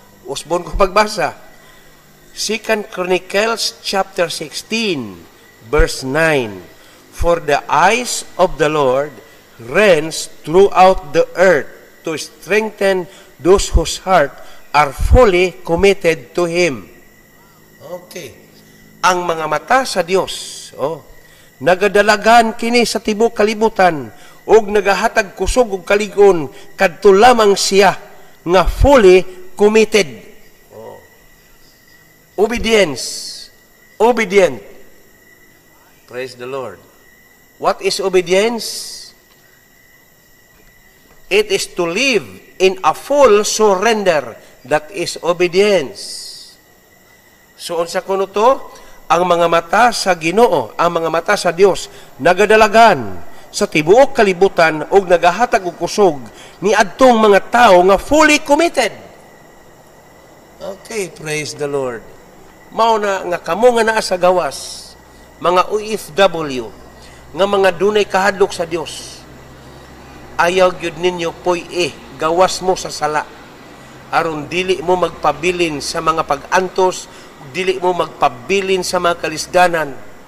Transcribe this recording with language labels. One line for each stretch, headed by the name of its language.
Cebuano: Usbon ko pagbasa.
English: 2 Chronicles chapter 16, verse 9. For the eyes of the Lord reigns throughout the earth to strengthen those whose heart are fully committed to Him. Okay.
Cebuano: Ang mga mata sa Dios, oh, nagadalagan kini sa tibuok kalibutan ug nagahatag kusog ug kalig-on kadto lamang siya nga
English: fully committed. Oh. Obedience. Obedient. Praise the Lord. What is obedience? It is to live in a full surrender. That is obedience. So,
Cebuano: unsa kuno to? Ang mga mata sa Ginoo, ang mga mata sa Dios, nagadalagan sa tibuok kalibutan o nagahatag og kusog ni adtong mga tao nga
English: fully committed. Okay, praise the Lord.
Cebuano: Mao na nga kamo nga naa sa gawas, mga OFW, nga mga dunay kahadlok sa Dios, ayaw gyud ninyo poy gawas mo sa sala aron dili mo magpabilin sa mga pag-antos, dili mo magpabilin sa mga kalisdanan.